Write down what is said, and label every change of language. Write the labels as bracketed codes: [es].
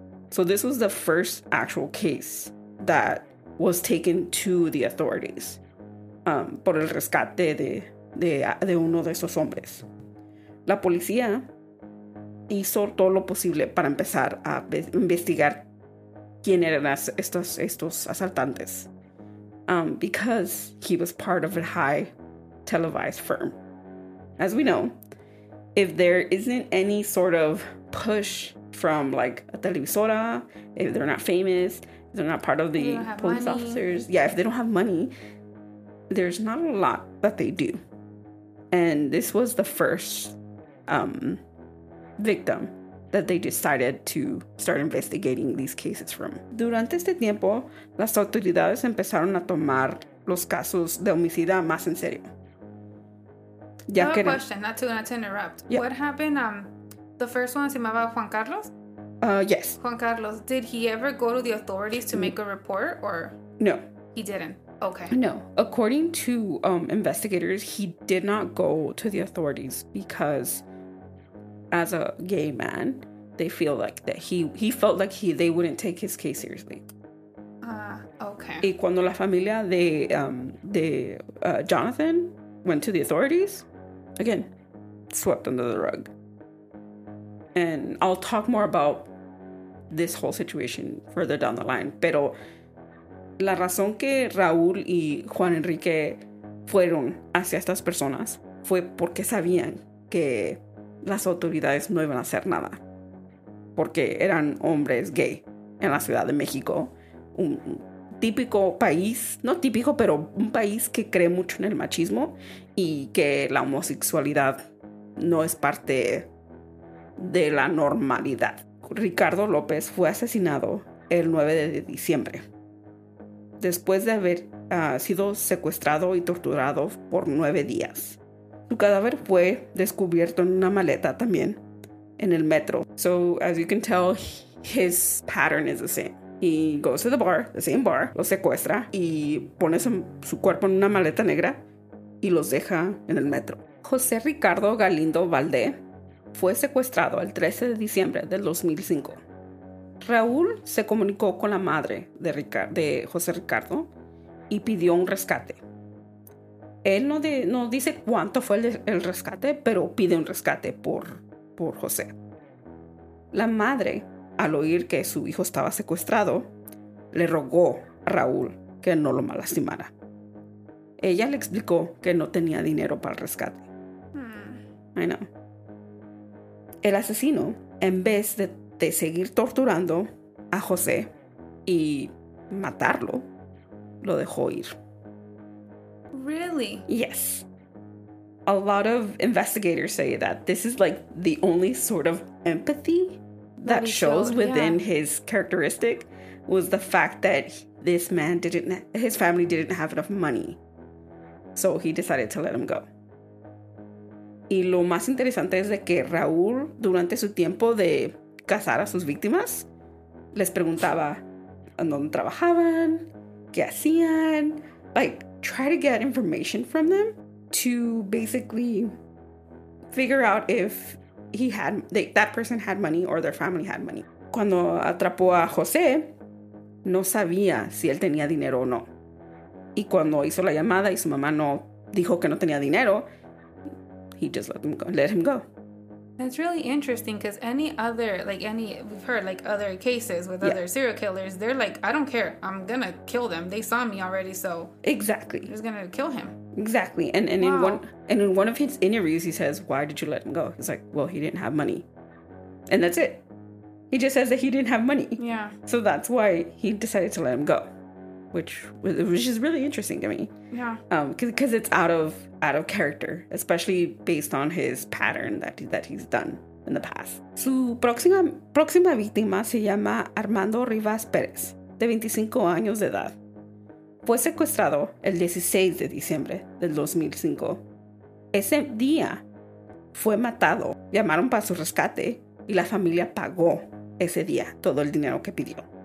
[en] So this was the first actual case that was taken to the authorities [es] por el rescate de uno de esos hombres. La policía hizo todo lo posible para empezar a investigar quién eran estos asaltantes. [en] Because he was part of a high televised firm. As we know, if there isn't any sort of push from like a televisora, if they're not famous, if they're not part of the police officers, yeah, if they don't have money, there's not a lot that they do. And this was the first victim that they decided to start investigating these cases from. [es] Durante este tiempo, las autoridades empezaron a tomar los casos de homicida más en serio. [en] Ya I have a question, not to interrupt. Yeah. What happened? The first one, [es] se llamaba [en] Juan Carlos? Yes. Juan Carlos, did he ever go to the authorities to make a report or? No. He didn't. Okay. No. According to investigators, he did not go to the authorities because as a gay man, they feel like that he felt like they wouldn't take his case seriously. Okay. [es] Y cuando la familia de [en] Jonathan went to the authorities, again, swept under the rug. And I'll talk more about this whole situation further down the line. [es] Pero la razón que Raúl y Juan Enrique fueron hacia estas personas fue porque sabían que las autoridades no iban a hacer nada. Porque eran hombres gay en la Ciudad de México. Un típico país, no típico, pero un país que cree mucho en el machismo y que la homosexualidad no es parte de la normalidad. Ricardo López fue asesinado el 9 de diciembre, después de haber sido secuestrado y torturado por 9 días. Su cadáver fue descubierto en una maleta también, en el metro. [en] So, as you can tell, his pattern is the same. He goes to the bar, the same bar, [es] lo secuestra y pone su cuerpo en una maleta negra y los deja en el metro. José Ricardo Galindo Valdé fue secuestrado el 13 de diciembre del 2005. Raúl se comunicó con la madre de José Ricardo y pidió un rescate. Él no dice cuánto fue el rescate, pero pide un rescate por José. La madre, al oír que su hijo estaba secuestrado, le rogó a Raúl que no lo lastimara. Ella le explicó que no tenía dinero para el rescate. [en] I know. [es] El asesino, en vez de seguir torturando a José y matarlo, lo dejó ir. [en] Really? Yes. A lot of investigators say that this is like the only sort of empathy that shows within his characteristic was the fact that this man didn't, his family didn't have enough money. So he decided to let him go. [es] Y lo más interesante es de que Raúl, durante su tiempo de cazar a sus víctimas, les preguntaba en dónde trabajaban, qué hacían, [en] like, try to get information from them to basically figure out if he had, they, that person had money or their family had money. [es] Cuando atrapó a José, no sabía si él tenía dinero o no. Y cuando hizo la llamada y su mamá no dijo que no tenía dinero, [en] he just let them go, let him go. That's really interesting because any other, like any, we've heard like other cases with other serial killers, they're like, I don't care, I'm gonna kill them. They saw me already, so. Exactly. I'm just gonna kill him. Exactly. And in one of his interviews, he says, why did you let him go? He's like, well, he didn't have money. And that's it. He just says that he didn't have money. Yeah. So that's why he decided to let him go, which is really interesting to me. Yeah. Because it's out of character, especially based on his pattern that he's done in the past. [es] Su próxima víctima se llama Armando Rivas Pérez, de 25 años de edad. Fue secuestrado el 16 de diciembre del 2005. Ese día fue matado. Llamaron para su rescate y la familia pagó ese día todo el dinero que pidió.